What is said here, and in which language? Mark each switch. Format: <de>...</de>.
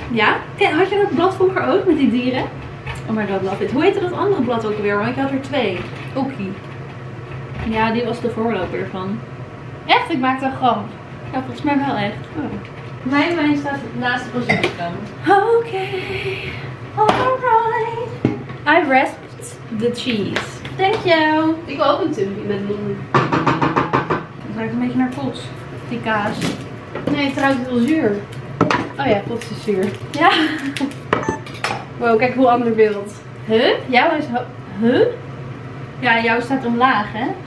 <nl>Ja. Had je dat blad vroeger ook met die dieren?</nl> <en>Oh my god, love it.</en> <nl>Hoe heette dat andere blad ook weer? Want je had er twee. Oki. Ja, die was de voorloper van. Echt? Ik maakte een grap. Ja, volgens mij wel echt. Oh. Mijn wijn staat naast de basilicum. Oké. Okay.</nl> <en>Alright. I rasped the cheese. Thank you.</en> <nl>Ik wil ook een tumpje met bloemen. Het ruikt een beetje naar pots. Die kaas. Nee, het ruikt heel zuur. Oh ja, pots is zuur. Ja. Wow, kijk hoe ander beeld. Huh? Jouw is... Huh? Ja, jouw staat omlaag, hè?</nl>